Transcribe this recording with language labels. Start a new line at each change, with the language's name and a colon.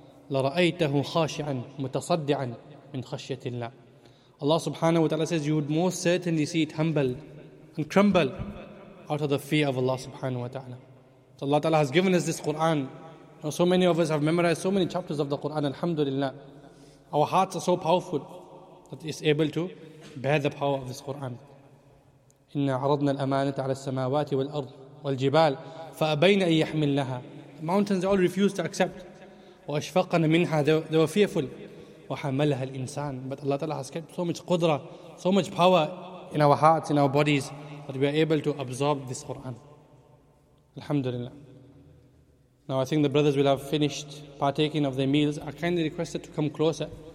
Arabic: لَرَأَيْتَهُ خَاشِعًا مُتَصَدِّعًا مِنْ خَشْيَةِ اللَّهِ,
English: Allah subhanahu wa ta'ala says, you would most certainly see it humble and crumble out of the fear of Allah subhanahu wa ta'ala. So Allah ta'ala has given us this Qur'an. Now, so many of us have memorized so many chapters of the Qur'an, alhamdulillah. Our hearts are so powerful that it's able to bear the power of this Qur'an.
Arabic: إِنَّا عَرَضْنَا الْأَمَانَةَ عَلَى السَّمَاوَاتِ وَالْأَرْضِ وَالْجِبَالِ فَأَبَيْنَ أَن يَحْمِلْنَهَا,
English: the mountains all refused to accept.
Arabic: وَأَشْفَقَنَ مِنْهَا,
English: they were fearful.
Arabic: وَحَمَلَهَا الْإِنسَانِ,
English: but Allah ta'ala has kept so much qudra, so much power in our hearts, in our bodies, that we are able to absorb this Qur'an. Alhamdulillah. Now I think the brothers will have finished partaking of their meals. I kindly requested to come closer.